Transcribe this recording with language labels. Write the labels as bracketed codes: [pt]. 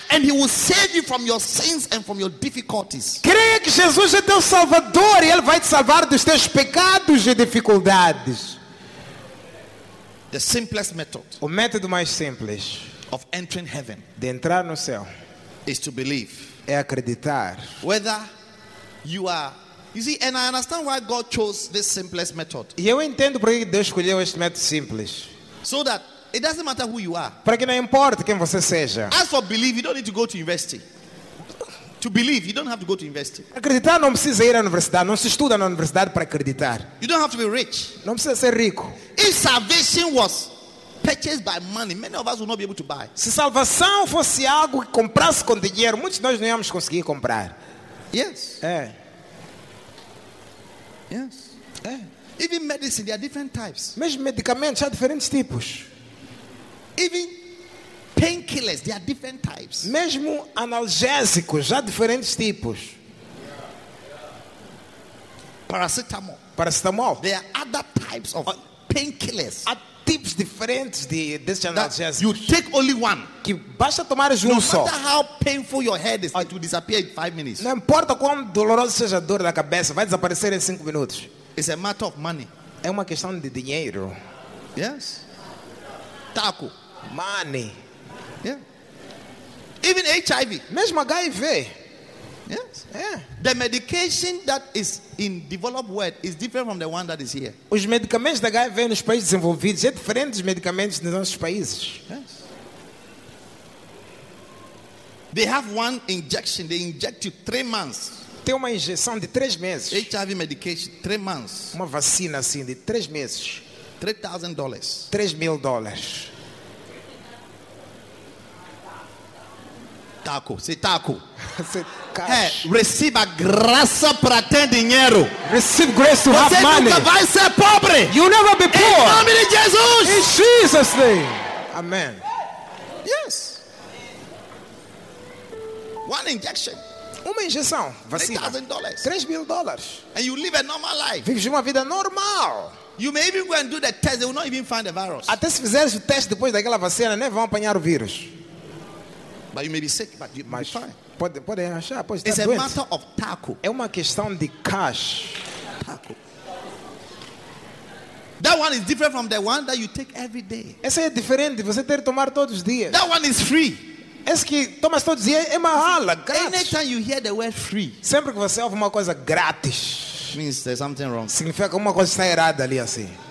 [en] And he will save you from your sins and from your difficulties. [pt] Creia que Jesus é teu salvador e ele vai te salvar dos teus pecados e dificuldades. [en] The simplest method. [pt] O método mais simples. [en] Of entering heaven. [pt] De entrar no céu. [en] Is to believe. [pt] É acreditar. [en] Whether you are. You see, and I understand why God chose this simplest method. [pt] E eu entendo porque Deus escolheu este método simples. [en] So that. It doesn't matter who you are. [pt] Para que não importa quem você seja. [en] As for believe, you don't need to go to university. To believe, you don't have to go to university. [pt] Acreditar não precisa ir à universidade. Não se estuda na universidade para acreditar. [en] You don't have to be rich. [pt] Não precisa ser rico. [en] If salvation was purchased by money, many of us would not be able to buy. [pt] Se salvação fosse algo que comprasse com dinheiro, muitos de nós não íamos conseguir comprar. [en] Yes. [pt] É. [en] Yes. [pt] É. [en] Even medicine, there are different types. [pt] Mesmo medicamentos há diferentes tipos. [en] Even painkillers, there are different types. [pt] Mesmo analgésicos, há diferentes tipos. [en] Paracetamol. [pt] Paracetamol. [en] There are other types of painkillers. [pt] Há tipos diferentes desses analgésicos. [en] You take only one. [pt] Que basta tomar um só. [en] No matter how painful your head is, it will disappear in 5 minutes. [pt] Não importa quão dolorosa seja a dor da cabeça, vai desaparecer em 5 minutos. [en] It's a matter of money. [pt] É uma questão de dinheiro. [en] Yes. Taco. Money. Yeah. Even HIV. [pt] Mesmo HIV. [en] Yes. Yeah. The medication that is in developed world is different from the one that is here. [pt] Os medicamentos da HIV nos países desenvolvidos é diferente dos medicamentos nos nossos países. [en] Yes. They have one injection. They inject you 3 months. [pt] Tem uma injeção de 3 meses. [en] HIV medication, 3 months. [pt] Uma vacina assim de 3 meses. [en] $3,000. [pt] $3,000. [en] Taco, say taco. Say cash. Hey, receive [pt] a graça para ter dinheiro. [en] Receive grace to have money. [pt] Você nunca vai ser pobre. [en] You'll never be poor. [pt] Em nome de Jesus. [en] In Jesus' name. Amen. Yes. One injection. [pt] Uma injeção, vacina. [en] $3,000. And you live a normal life. [pt] Vives uma vida normal. [en] You may even go and do the test. They will not even find the virus. [pt] Até se fizeres o teste depois daquela vacina, nem vão apanhar o vírus. [en] But you may be sick, but you'll be fine. [pt] Pode achar, pode [en] It's [pt] estar a doente. [en] Matter of taco. [pt] É uma questão de cash. [en] Taco. That one is different from the one that you take every day. [pt] Essa é diferente de você ter que tomar todos os dias. [en] That one is free. [pt] Esse que toma todos os dias é uma rala, grátis. [en] Anytime you hear the word free. [pt] Sempre que você ouve uma coisa grátis. [en] Means there's something wrong. [pt] Significa que uma coisa está errada ali assim.